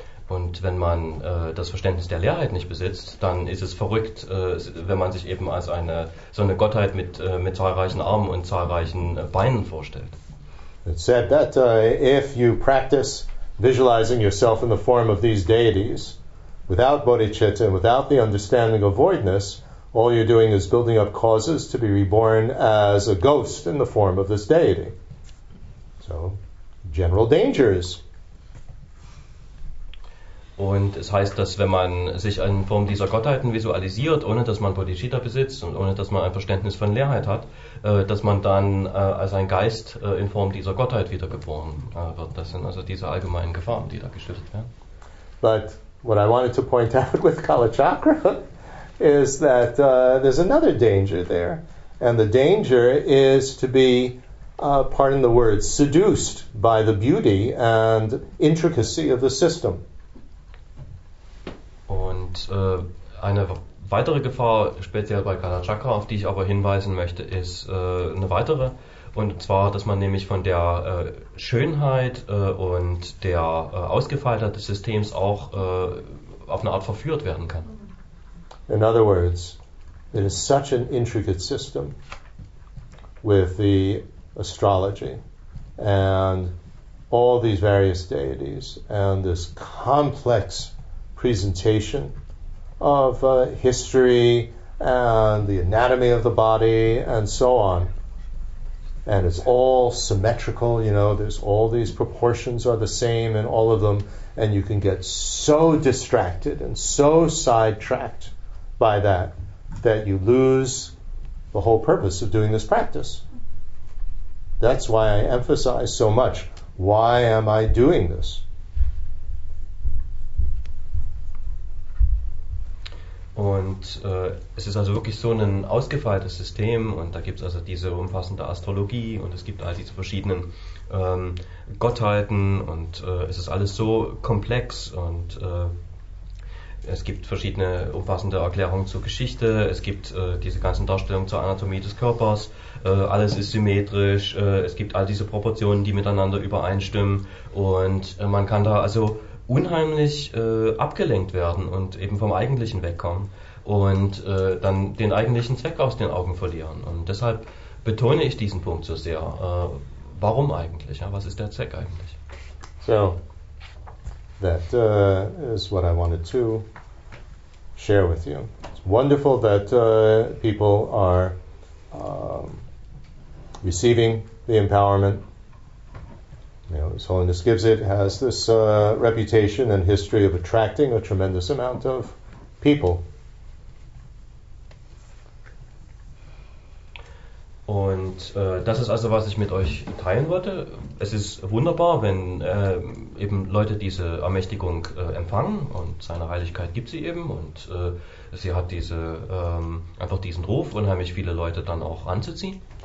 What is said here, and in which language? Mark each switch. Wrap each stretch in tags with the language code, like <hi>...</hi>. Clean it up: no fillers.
<de>Und wenn man das Verständnis der Leerheit nicht besitzt, dann ist es verrückt, wenn man sich eben als so eine Gottheit mit zahlreichen Armen und zahlreichen Beinen vorstellt.</de> <en>It said that if you practice visualizing yourself in the form of these deities, without bodhicitta and without the understanding of voidness, all you're doing is building up causes to be reborn as a ghost in the form of this deity. So, general dangers.</en> <de>Und es heißt, dass wenn man sich in Form dieser Gottheiten visualisiert, ohne dass man Bodhicitta besitzt und ohne dass man ein Verständnis von Leerheit hat, dass man dann als ein Geist in Form dieser Gottheit wiedergeboren wird. Das sind also diese allgemeinen Gefahren, die da geschildert werden.</de> <en>But what I wanted to point out with Kalachakra is that there's another danger there. And the danger is to be, pardon the word, seduced by the beauty and intricacy of the system. Und eine weitere Gefahr, speziell bei Kalachakra, auf die ich aber hinweisen möchte, ist eine weitere. Und zwar, dass man nämlich von der Schönheit und der Ausgefeiltheit des Systems auch auf eine Art verführt werden kann. In other words, It is such an intricate system with the astrology and all these various deities and this complex presentation of history and the anatomy of the body and so on. And it's all symmetrical, you know, there's all these proportions are the same in all of them, and you can get so distracted and so sidetracked by that that you lose the whole purpose of doing this practice. That's why I emphasize so much, why am I doing this?</en> <de>Und es ist also wirklich so ein ausgefeiltes System, und da gibt es also diese umfassende Astrologie und es gibt all diese verschiedenen Gottheiten, und es ist alles so komplex, und es gibt verschiedene umfassende Erklärungen zur Geschichte, es gibt diese ganzen Darstellungen zur Anatomie des Körpers, alles ist symmetrisch, es gibt all diese Proportionen, die miteinander übereinstimmen, und man kann da also unheimlich abgelenkt werden und eben vom Eigentlichen wegkommen und dann den eigentlichen Zweck aus den Augen verlieren. Und deshalb betone ich diesen Punkt so sehr. Warum eigentlich? Ja, was ist der Zweck eigentlich?</de> <en>So, that is what I wanted to share with you. It's wonderful that people are receiving the empowerment. You know, His Holiness gives it, has this reputation and history of attracting a tremendous amount of people.</en> <de>Und das ist also, was ich mit euch teilen wollte. Es ist wunderbar, wenn eben Leute diese Ermächtigung empfangen, und seine Heiligkeit gibt sie eben, und sie hat diese einfach diesen Ruf, unheimlich viele Leute dann auch anzuziehen.</de>